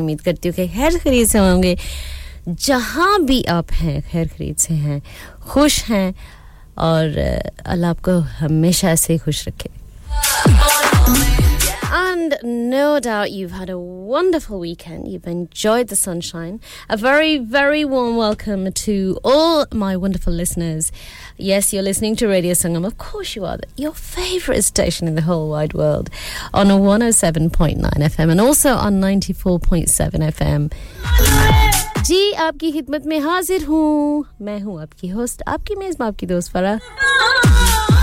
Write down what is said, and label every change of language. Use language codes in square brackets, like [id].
[ur] امید کرتی ہوں کہ خیر خیریت سے ہوں گے، جہاں بھی آپ ہیں، خیر خیریت سے ہیں، خوش ہیں، اور اللہ آپ کو ہمیشہ ایسے ہی خوش رکھے۔ [en] And no doubt you've had a wonderful weekend. You've enjoyed the sunshine. A very, very warm welcome to all my wonderful listeners. Yes, you're listening to Radio Sangam. Of course you are. Your favourite station in the whole wide world. On 107.9 FM and also on 94.7 FM. [ur] جی، آپ کی خدمت میں حاضر ہوں۔ میں ہوں آپ کی ہوسٹ۔ آپ کی میزبان، آپ کی دوست فرح۔